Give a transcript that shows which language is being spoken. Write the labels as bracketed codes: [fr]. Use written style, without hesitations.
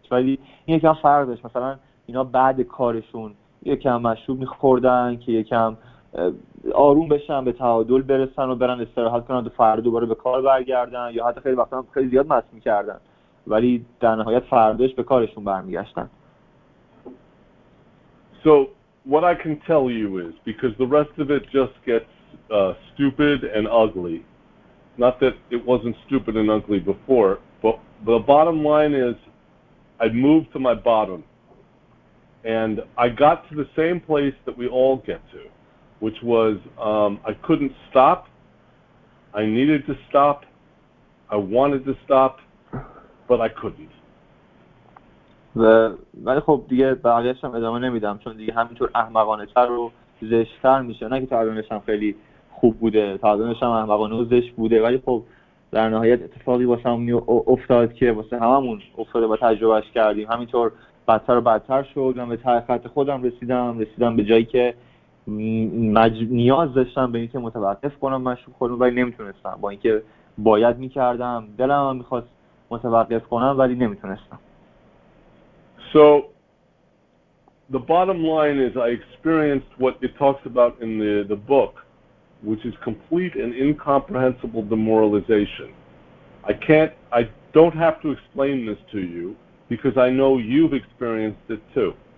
[fa] ولی این یکم فرق داشت. مثلا اینا بعد کارشون یکم مشروب می‌خوردن که یکم آروم بشن، به تعادل برسن و برن استراحت کنن و فردا دوباره به کار برگردن، یا حتی خیلی وقتا هم خیلی زیاد مست می‌کردن ولی در نهایت فرداش به کارشون برمیگشتن. [en] So what I can tell you is because the rest of it just gets stupid and ugly. Not that it wasn't stupid and ugly before, but the bottom line is I moved to my bottom and I got to the same place that we all get to. Which was, I couldn't stop, I needed to stop, I wanted to stop, but I couldn't. [fa] ولی خب دیگه برگشتم ادامه نمیدم چون دیگه همینطور احمقانه‌تر و زشت‌تر میشه. نه که تعبیرش هم خیلی خوب بوده، تعبیرش هم احمقانه و زشت بوده، ولی خب در نهایت اتفاقی واسه هم افتاد که واسه هممون افتاده و تجربهش کردیم. همینطور بدتر و بدتر شد، من به ته خط خودم رسیدم به جایی که نیاز داشتم به اینکه متوقف کنم مشروب خودم، ولی نمیتونستم با اینکه باید میکردم، دلم هم میخواست متوقف کنم ولی نمیتونستم. [en] So the bottom line is I experienced what it talks about in the book, which is complete and incomprehensible demoralization. I don't have to explain this to you because I know you've experienced it too.